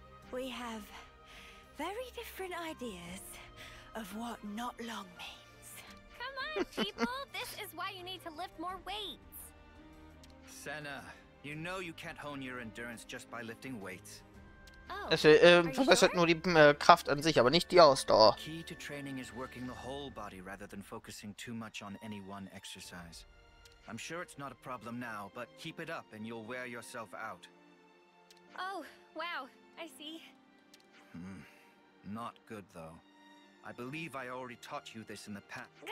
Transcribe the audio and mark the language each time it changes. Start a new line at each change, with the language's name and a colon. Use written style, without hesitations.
English: We have very different ideas of what not long means. Come on, people, this is why you need to lift more weights. Senna, you know you can't hone your endurance just by lifting weights.
German: Also, verbessert nur die Kraft an sich, aber nicht die Ausdauer.
English: The key to training is working the whole body rather than focusing too much on any one exercise. I'm sure it's not a problem now, but keep it up and you'll wear yourself out. Oh, wow, I see. Hmm, not good though. I believe I already taught you this in the past.